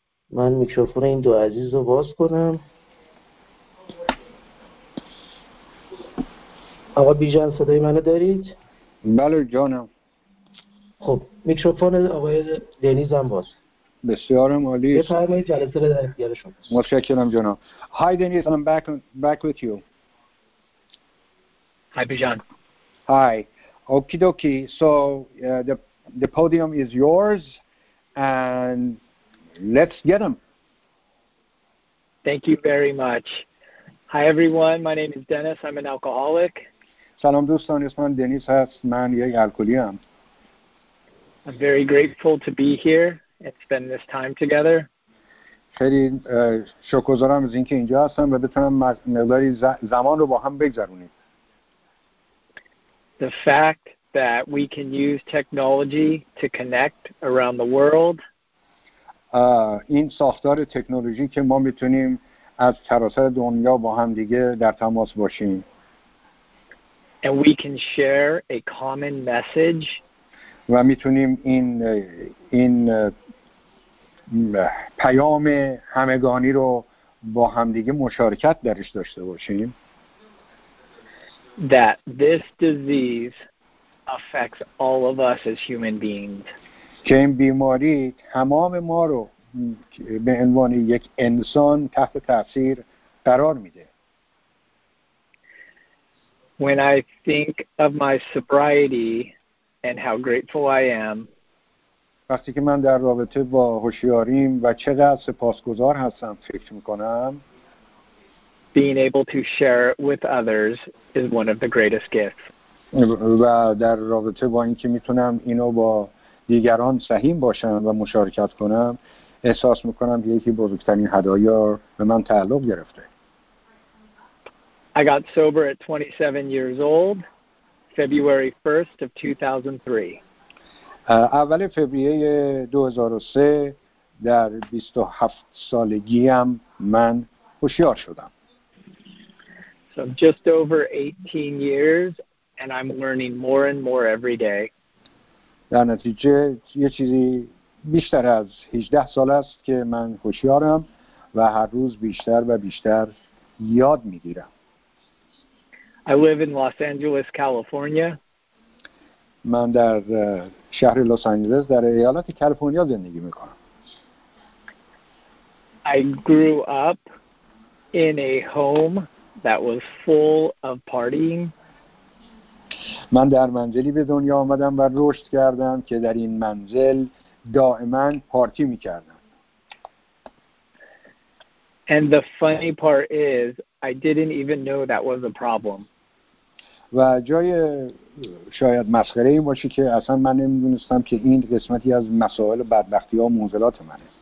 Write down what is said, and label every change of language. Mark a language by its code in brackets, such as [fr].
[fa] من میکروفون این دو عزیز رو باز کنم. آقای بیژن صدای منو دارید؟ بله جانم. خب میکروفون آقای دنیز هم باز. بسیار عالی. بفرمایید جلسه رو در اختیار شما. متشکرم جانم. [en] Hi Denise, I'm back with you. Hi Bijan. Hi. Okie dokie. So the podium is yours and let's get them. Thank you very much. Hi everyone, my name is Dennis. I'm an alcoholic. [fa] سلام دوستان، اسمم دنیس هست، من یک الکلی هم. [en] I'm very grateful to be here and spend this time together. [fa] خیلی شکرگزارم از اینکه اینجا هستم و بتونم مقداری زمان رو با هم بگذرونیم. [en] The fact that we can use technology to connect around the world. [fa] این ساختار تکنولوژی که ما میتونیم از سراسر دنیا با هم دیگه در تماس باشیم. [en] And we can share a common message. [fa] و میتونیم این پیام همگانی رو با همدیگه مشارکت درش داشته باشیم. [en] That this disease affects all of us as human beings. [fa] که این بیماری تمام ما رو به عنوان یک انسان تحت تاثیر قرار میده. [en] When I think of my sobriety and how grateful I am. [fa] وقتی که من در رابطه با هوشیاریم و چقدر سپاسگزار هستم فکر میکنم. [en] Being able to share it with others is one of the greatest gifts. [fa] و در رابطه با اینکه میتونم اینو با دیگران سهیم باشم و مشارکت کنم، احساس میکنم یکی بزرگترین هدایا به من تعلق گرفته. [en] I got sober at 27 years old, February 1st of 2003. [fa] اول فوریه 2003 در 27 سالگی ام من هوشیار شدم. [en] So I'm just over 18 years and I'm learning more and more every day. [fa] در نتیجه یه چیزی بیشتر از 18 سال است که من هوشیارم و هر روز بیشتر و بیشتر یاد میگیرم. [en] I live in Los Angeles, California. [fa] من در شهر لس آنجلس در ایالت کالیفرنیا زندگی می کنم. [en] I grew up in a home that was full of partying. [fa] من در منزلی به دنیا آمدم و رشد کردم که در این منزل دائما پارتی می کردم. [en] And the funny part is I didn't even know that was a problem. [fa] و جای شاید مسخره این باشه که اصلا من نمیدونستم که این قسمتی از مسائل بدبختی ها و منزلات منه.